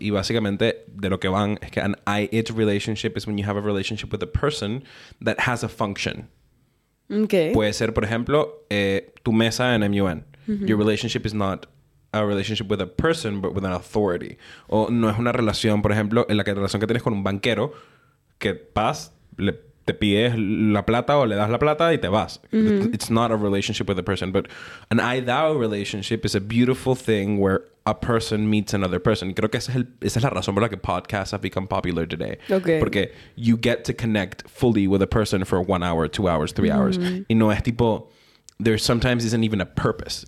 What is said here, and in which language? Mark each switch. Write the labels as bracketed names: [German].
[Spanish] Y básicamente, de lo que van es que [English] an I-it relationship is when you have a relationship with a person that has a function. Okay. [Spanish] Puede ser, por ejemplo, tu mesa en MUN. Mm-hmm. [English] Your relationship is not a relationship with a person, but with an authority. [Spanish] O no es una relación, por ejemplo, en la que relación que tienes con un banquero que vas, te pides la plata o le das la plata y te vas. Mm-hmm. [English] It's not a relationship with a person, but an I-thou relationship is a beautiful thing where a person meets another person. [Spanish] Creo que esa es la razón por la que [English] podcasts have become popular today. Okay. Porque you get to connect fully with a person for 1 hour, 2 hours, three hours. [Spanish] Y no es tipo, [English] there sometimes isn't even a purpose.